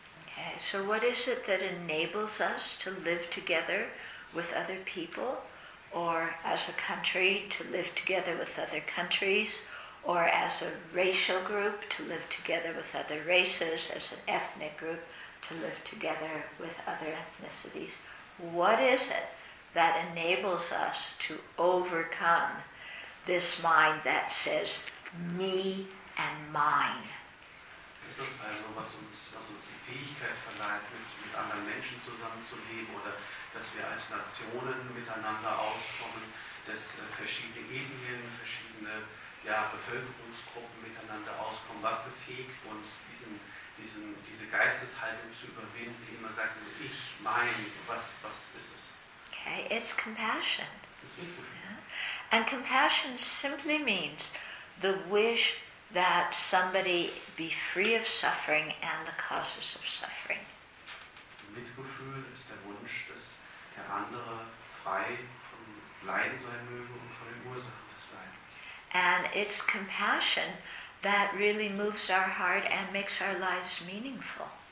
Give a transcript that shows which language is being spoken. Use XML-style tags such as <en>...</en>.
<en>Okay, so what is it that enables us to live together with other people, or as a country to live together with other countries, or as a racial group to live together with other races, as an ethnic group to live together with other ethnicities? What is it that enables us to overcome this mind that says me and mine?</en> <de>Ist das also, was uns die Fähigkeit verleiht, mit anderen Menschen zusammenzuleben, oder dass wir als Nationen miteinander auskommen, dass verschiedene Ethnien, verschiedene Bevölkerungsgruppen miteinander auskommen? Was befähigt uns, diese Geisteshaltung zu überwinden, die immer sagt, ich, mein, was ist es?</de> <en>Okay, it's compassion. Yeah. And compassion simply means the wish that somebody be free of suffering and the causes of suffering.</en> <de>Mitgefühl ist der Wunsch, dass der andere frei vom Leiden sein möge und von den Ursachen des Leidens.</de> <en>And it's compassion that really moves our heart and makes our lives meaningful.</en>